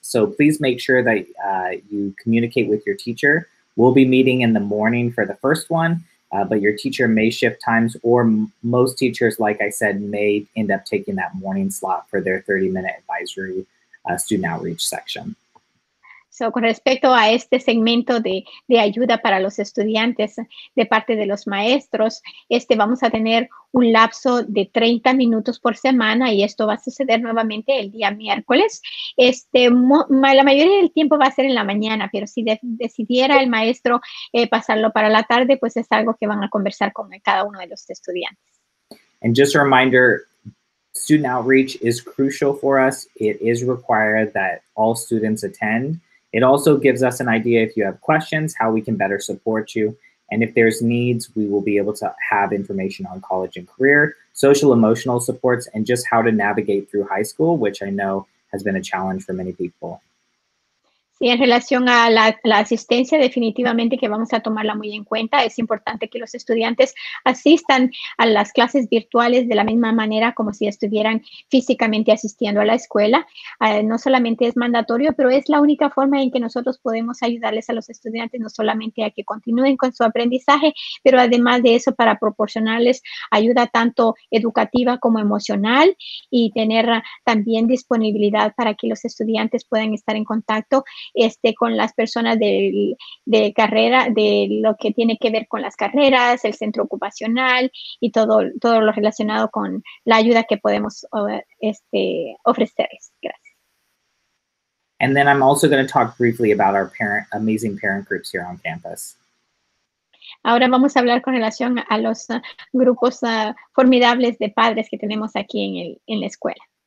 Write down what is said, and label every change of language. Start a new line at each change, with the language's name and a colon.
English: So please make sure that you communicate with your teacher. We'll be meeting in the morning for the first one. But your teacher may shift times, or most teachers, like I said, may end up taking that morning slot for their 30-minute advisory student outreach section.
Spanish: So, con respecto a este segmento de ayuda para los estudiantes de parte de los maestros, este vamos a tener un lapso de 30 minutos por semana y esto va a suceder nuevamente el día miércoles. La mayoría del tiempo va a ser en la mañana, pero si decidiera el maestro pasarlo para la tarde, pues es algo que van a conversar con cada uno de los estudiantes.
English: And just a reminder, student outreach is crucial for us. It is required that all students attend. It also gives us an idea if you have questions, how we can better support you. And if there's needs, we will be able to have information on college and career, social emotional supports, and just how to navigate through high school, which I know has been a challenge for many people.
Spanish: Sí, en relación a la asistencia, definitivamente que vamos a tomarla muy en cuenta. Es importante que los estudiantes asistan a las clases virtuales de la misma manera como si estuvieran físicamente asistiendo a la escuela. No solamente es mandatorio, pero es la única forma en que nosotros podemos ayudarles a los estudiantes, no solamente a que continúen con su aprendizaje, pero además de eso, para proporcionarles ayuda tanto educativa como emocional y tener también disponibilidad para que los estudiantes puedan estar en contacto con las personas de carrera, de lo que tiene que ver con las carreras, el centro ocupacional y todo lo relacionado con la ayuda que podemos ofrecerles. Gracias.
English: And then I'm also going to talk briefly about our amazing parent groups here on campus.
Spanish: Ahora vamos a hablar con relación a los grupos formidables de padres que tenemos aquí en la escuela.